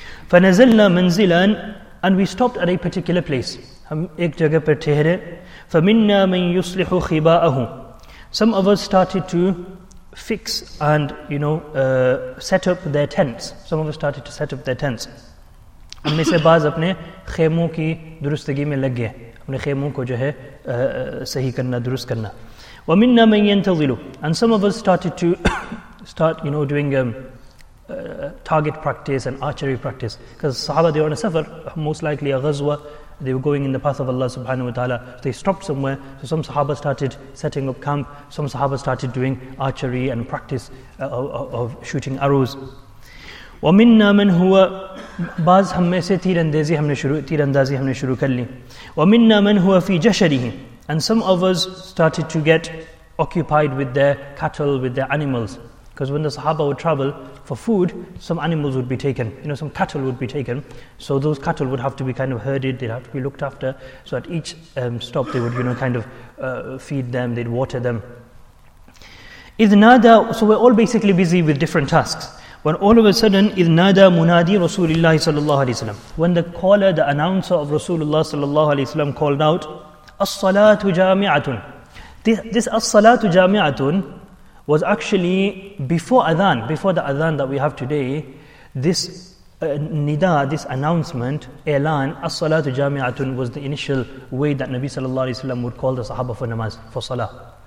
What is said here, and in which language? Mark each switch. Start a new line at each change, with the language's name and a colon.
Arabic: فَنَزَلْنَا مَنْزِلًا
English: And we stopped at a particular place.
Urdu: Hum ek jagah per thehre.
Arabic: فَمِنَّا مَنْ يُصْلِحُ خِبَاءَهُ
English: Some of us started to fix and set up their tents. Some of us started to set up their tents.
Urdu: ہم میں سے بعض اپنے خیموں کی درستگی میں لگ گئے, اپنے خیموں کو جو ہے صحیح کرنا, درست کرنا.
Arabic: وَمِنَّا مَنْ يَنْتَظِلُ
English: And some of us started to start doing target practice and archery practice. Because Sahaba, they were on a safar, most likely a ghazwa, they were going in the path of Allah subhanahu wa ta'ala. So they stopped somewhere. So some Sahaba started setting up camp. Some Sahaba started doing archery and practice of shooting arrows.
Arabic: وَمِنَّا مَنْ هُوَ
Urdu: بَعْضْ ہم میں سے تیر اندازی ہم نے شروع کر لی.
Arabic: وَمِنَّا مَنْ هُوَ فِي جَشَرِهِ
English: And some of us started to get occupied with their cattle, with their animals. Because when the Sahaba would travel for food, some animals would be taken. Some cattle would be taken. So those cattle would have to be kind of herded. They'd have to be looked after. So at each stop, they would feed them. They'd water them.
Arabic: إِذْ نَادَى
English: So we're all basically busy with different tasks. When all of a sudden,
Arabic: إِذْ نَادَى مُنَادِي رَسُولِ اللَّهِ صَلَى اللَّهُ عَلَيْهِ وسلم.
English: When the caller, the announcer of Rasulullah صلى الله عليه وسلم called out,
Arabic: أَصَّلَاتُ جَامِعَةٌ
English: This أَصَّلَاتُ جَامِعَةٌ was actually before the adhan that we have today, this announcement, as-salatu jami'atun was the initial way that Nabi sallallahu alayhi wa sallam would call the sahaba for namaz, for salah.